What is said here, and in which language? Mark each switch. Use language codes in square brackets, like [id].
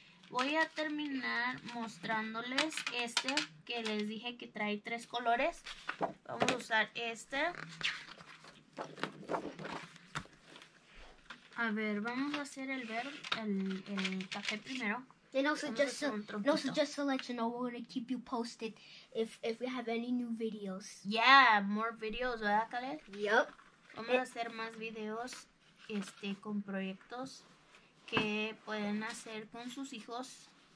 [es] Voy a terminar mostrándoles este que les dije que trae tres colores. Vamos a usar este. A ver, vamos a hacer el café primero. [en] And also, just to let you know, we're going to keep you posted if we have any new videos. Yeah, more videos, ¿verdad, Khaled? Yep. [es] Vamos a hacer más videos con proyectos que pueden hacer con sus hijos